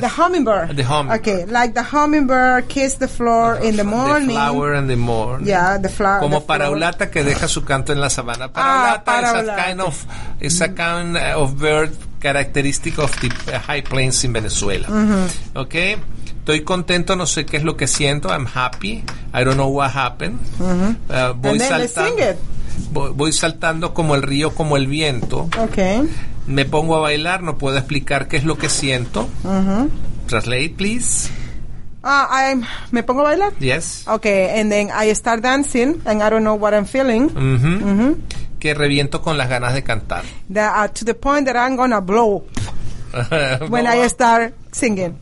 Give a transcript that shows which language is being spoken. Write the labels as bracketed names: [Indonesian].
[English] The hummingbird. The hummingbird. Okay, like the hummingbird kiss the floor in the morning. The flower in the morning. Yeah, the flower. [Spanish] Como [English] the [Spanish] paraulata [English] flower. [Spanish] Que deja su canto en la sabana. [English] Paraulata is a kind of, it's a kind of bird characteristic of the high plains in Venezuela. Mm-hmm. Okay? [Spanish] Estoy contento, no sé qué es lo que siento. [English] I'm happy. I don't know what happened. Mm-hmm. [Spanish] Voy [English] and then [Spanish] saltando. [English] They sing it. [Spanish] Voy saltando como el río, como el viento. [English] Okay. [Spanish] Me pongo a bailar, no puedo explicar qué es lo que siento. Mm-hmm. [English] Translate, please. [Spanish] Me pongo a bailar. [English] Yes. Okay, and then I start dancing, and I don't know what I'm feeling. Mm-hmm. Mm-hmm. [Spanish] Que reviento con las ganas de cantar. [English] To the point that I'm gonna blow when I start singing.